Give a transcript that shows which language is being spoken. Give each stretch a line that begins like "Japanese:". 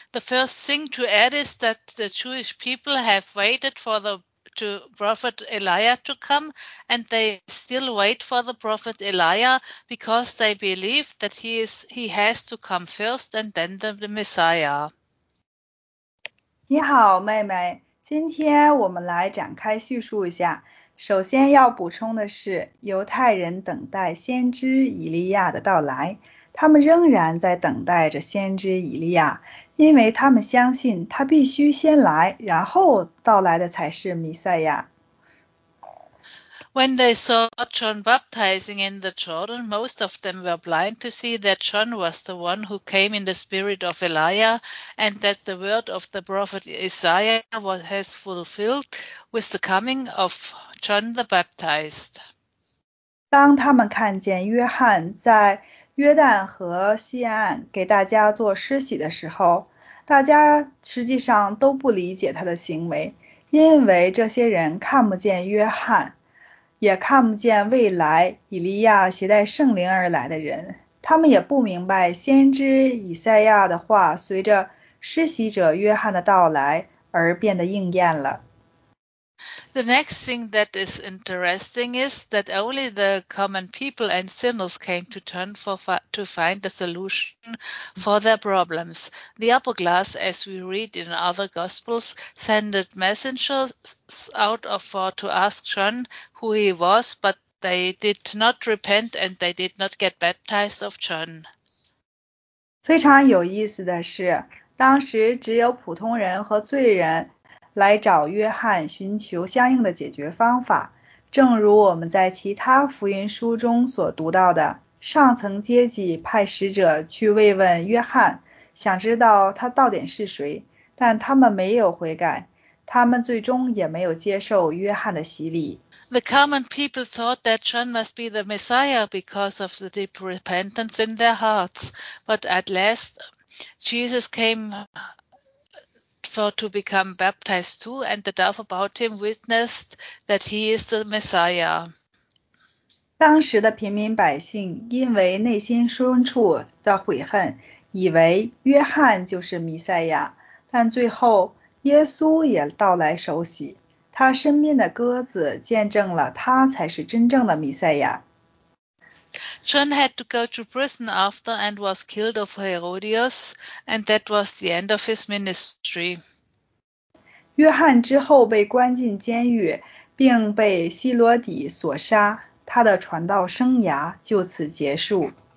English: The first thing to add is that the Jewish people have waited for the prophet Elijah to come, and they still wait for the prophet Elijah because they believe that he has to come first and then the Messiah.
Chinese: 你好，妹妹。今天我们来展开叙述一下。首先要补充的是，犹太人等待先知以利亚的到来，他们仍然在等待着先知以利亚，因为他们相信他必须先来，然后到来的才是弥赛亚。
English: When they saw John baptizing in the Jordan, most of them were blind to see that John was the one who came in the spirit of Elijah, and that the word of the prophet Isaiah was fulfilled with the coming of John the Baptist.
Chinese: 当他们看见约翰在约旦河西岸给大家做施洗的时候，大家实际上都不理解他的行为，因为这些人看不见约翰，也看不见未来以利亚携带圣灵而来的人，他们也不明白先知以赛亚的话随着施洗者约翰的到来而变得应验了。
English: The next thing that is interesting is that only the common people and sinners came to turn to find the solution for their problems. The upper class, as we read in other gospels, sended messengers out of four to ask John who he was, but they did not repent and they did not get baptized of John.
Chinese: 非常有意思的是，当时只有普通人和罪人来找约翰寻求相应的解决方法。正如我们在其他福音书中所读到的，上层阶级派使者去慰问约翰，想知道他到底是谁，但他们没有悔改，他们最终也没有接受约翰的洗礼。
English: The common people thought that John must be the Messiah because of the deep repentance in their hearts. But at last, Jesus came for to become baptized too, and the dove about him witnessed that he is the Messiah.
Chinese: 当时的平民百姓因为内心深处的悔恨，以为约翰就是弥赛亚，但最后耶稣也到来受洗，他身边的鸽子见证了他才是真正的弥赛亚。
English: John had to go to prison after and was killed of Herodias, and that was the end of his ministry.
Chinese: 约翰之后被关进监狱，并被希罗底所杀，他的传道生涯就此结束。